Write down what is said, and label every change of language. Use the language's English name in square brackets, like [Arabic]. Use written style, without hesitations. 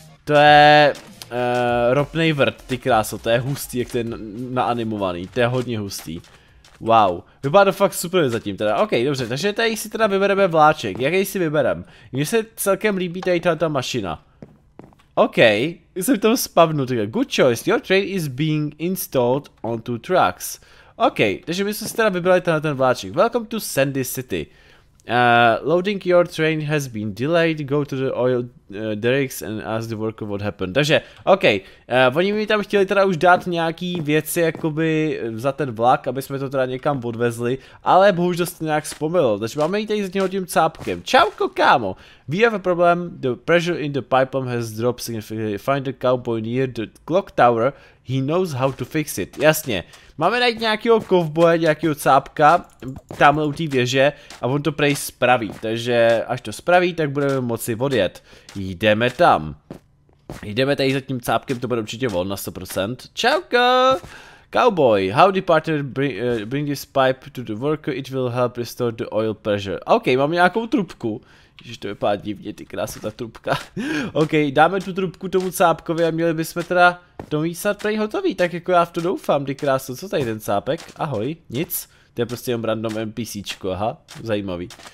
[Czech] To je ropný vrt, ty kráso, to je hustý, jak ten naanimovaný, to je hodně hustý. Wow, vypadá to fakt super zatím teda. OK, dobře, takže tady si teda vybereme vláček. Jaký si vyberem? Mně se celkem líbí tady ta mašina. OK, jsem tam spavnul. Tak. [English] Good choice, your train is being installed onto trucks. [Czech] OK, takže my jsme si teda vybrali tenhle ten vláček. [English] Welcome to Sandy City. Loading your train has been delayed, go to the oil derricks and ask the worker what happened. [Czech] Takže, OK, oni mi tam chtěli teda už dát nějaký věci jakoby za ten vlak, aby jsme to teda někam odvezli, ale bohužel se to nějak vzpomnělo, takže máme jít tady s tím cápkem. Čauko, kámo! [English] We have a problem, the pressure in the pipeline has dropped significantly. Find the cowboy near the clock tower, he knows how to fix it. [Czech] Jasně. Máme najít nějakého kovboje, nějakého cápka, tamhle u té věže a on to prej spraví, takže až to spraví, tak budeme moci odjet. Jdeme tam. Jdeme tady za tím cápkem, to bude určitě on na 100%. Čauko! [English] Cowboy, how the partner bring this pipe to the worker, it will help restore the oil pressure. [Czech] OK, mám nějakou trubku. Ježiš, to vypadá divně, ty krása, ta trubka. OK, dáme tu trubku tomu cápkovi a měli bychom teda to místat prej hotový. Tak jako já v to doufám, ty krása, co tady ten cápek? Ahoj, nic. To je prostě jenom random NPCčko, aha, zajímavý.